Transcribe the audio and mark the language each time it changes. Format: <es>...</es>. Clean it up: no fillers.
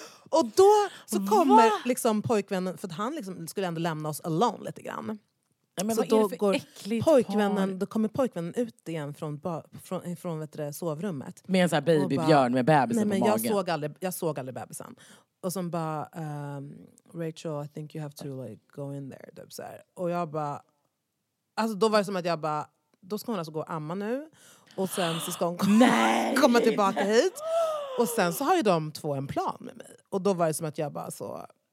<sv>Och då så kommer liksom pojkvännen, för att han liksom skulle ändå lämna oss alone lite grann. Ja, men så vad då är det för äckligt pojkvännen par? Då kommer pojkvännen ut igen från vet du, sovrummet. Med en sån här babybjörn med bebisen på magen. Nej, men jag såg aldrig bebisen. Och som bara</sv> <en>Rachel, I think you have to like go in there,</en> <sv>typ så här. Och jag bara, alltså då var det som att jag bara, då ska hon alltså gå och amma nu. Och sen så ska hon komma tillbaka hit. Och sen så har ju de två en plan med mig. Och då var det som att jag bara så...</sv>